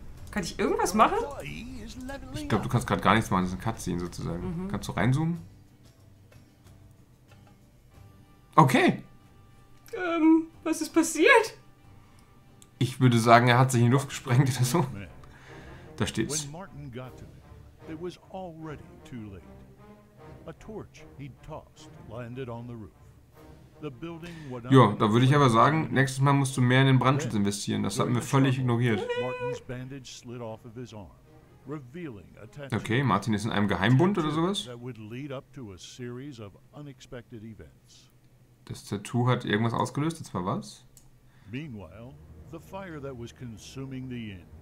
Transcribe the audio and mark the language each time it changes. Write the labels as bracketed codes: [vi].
[de] Kann ich irgendwas machen? Ich glaube, du kannst gerade gar nichts machen, das ist ein Cutscene sozusagen. Mhm. Kannst du reinzoomen? Okay. Was ist passiert? Ich würde sagen, er hat sich in die Luft gesprengt oder so. Da steht's. [en] When Martin got to me, it was already too late. A torch he'd tossed landed on the roof. The building would [de] Ja, da würde ich aber sagen, nächstes Mal musst du mehr in den Brandschutz investieren. Das hatten wir völlig ignoriert. [en] Martin's bandage slid off of his arm, revealing a tattoo. [de] Okay, Martin ist in einem Geheimbund oder sowas? [en] That would lead up to a series of unexpected events. [de] Das Tattoo hat irgendwas ausgelöst, das war was? [en] Meanwhile, the fire that was consuming the inn.